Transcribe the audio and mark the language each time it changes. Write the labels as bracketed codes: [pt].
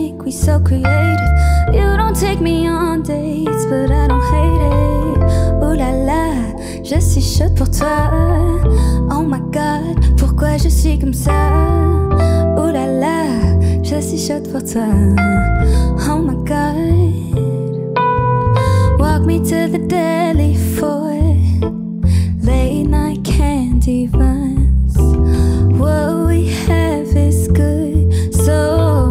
[en] So creative, you don't take me on dates, but I don't hate it. [fr] Ooh la la, je suis chaude pour toi. [en] Oh my god, [fr] pourquoi je suis comme ça? Ooh la la, je suis chaude pour toi. [en] Oh my god, walk me to the deli for it. Late night candy runs. What we have is good, so.